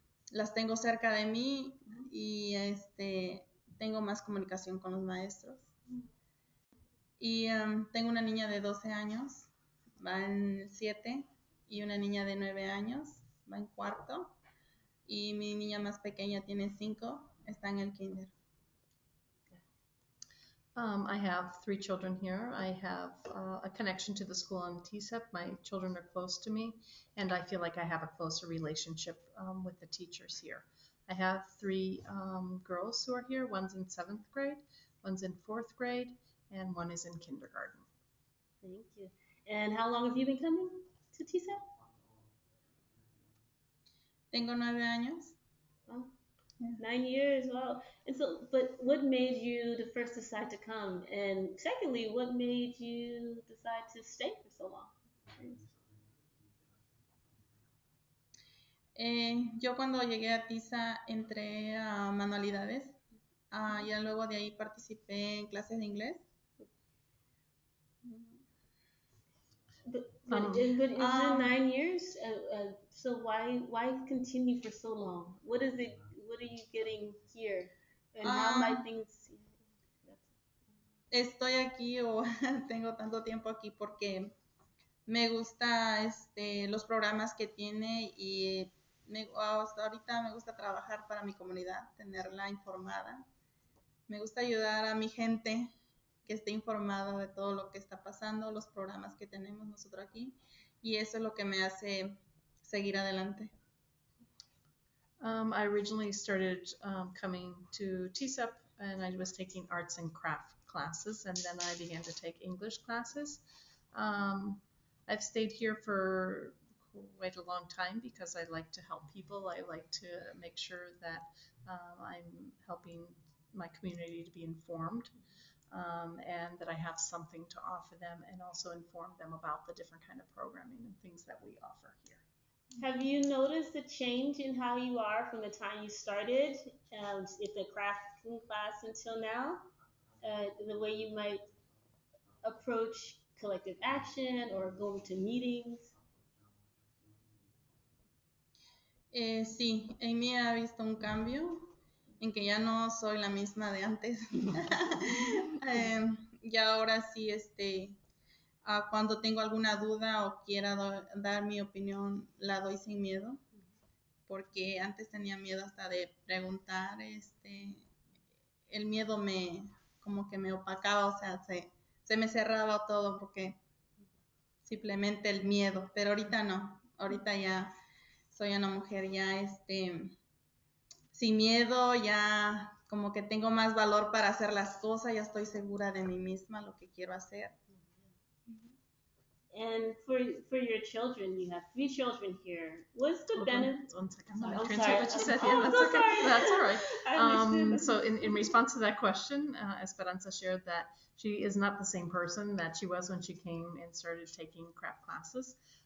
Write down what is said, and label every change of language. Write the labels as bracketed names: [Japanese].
[Spanish] Las tengo cerca de mí y tengo más comunicación con los maestros. Y tengo una niña de 12 años, va en 7, y una niña de 9 años, va en 4. Y mi niña más pequeña tiene 5, está en el kinder. [English] I have 3 children here. I have a connection to the school on TSEP. My children are close to me, and I feel like I have a closer relationship with the teachers here. I have 3 girls who are here. One's in 7th grade, one's in 4th grade, and one is in kindergarten. Thank you. And how long have you been coming to TSEP? [Spanish] Tengo 9 años. [English] Yeah. 9 years, wow. And so, but what made you the first decide to come? And secondly, what made you decide to stay for so long? [Spanish] Yo cuando llegué a TSA entré a manualidades. Ya luego de ahí participé en clases de inglés. [English] But 9 years? So why continue for so long? What is it? What are you getting here? And how my things? [Spanish] Estoy aquí o tengo tanto tiempo aquí porque me gusta los programas que tiene y hasta ahorita me gusta trabajar para mi comunidad, tenerla informada. Me gusta ayudar a mi gente que esté informada de todo lo que está pasando, los programas que tenemos nosotros aquí, y eso es lo que me hace seguir adelante. [English] I originally started coming to TSEP, and I was taking arts and craft classes, and then I began to take English classes. I've stayed here for quite a long time because I like to help people. I like to make sure that I'm helping my community to be informed, and that I have something to offer them, and also inform them about the different kind of programming and things that we offer here. Mm-hmm. Have you noticed the change in how you are from the time you started at the crafting class until now? The way you might approach collective action or going to meetings? [Spanish] Sí, en mí ha visto un cambio en que ya no soy la misma de antes. y ahora sí, cuando tengo alguna duda o quiera dar mi opinión, la doy sin miedo, porque antes tenía miedo hasta de preguntar, el miedo me, como que me opacaba, o sea, se me cerraba todo porque simplemente el miedo, pero ahorita no, ahorita ya soy una mujer ya, sin miedo, ya como que tengo más valor para hacer las cosas, ya estoy segura de mí misma, lo que quiero hacer. [English] And for your children, you have 3 children here. What's the That's all right. So in response to that question, Esperanza shared that she is not the same person that she was when she came and started taking craft classes.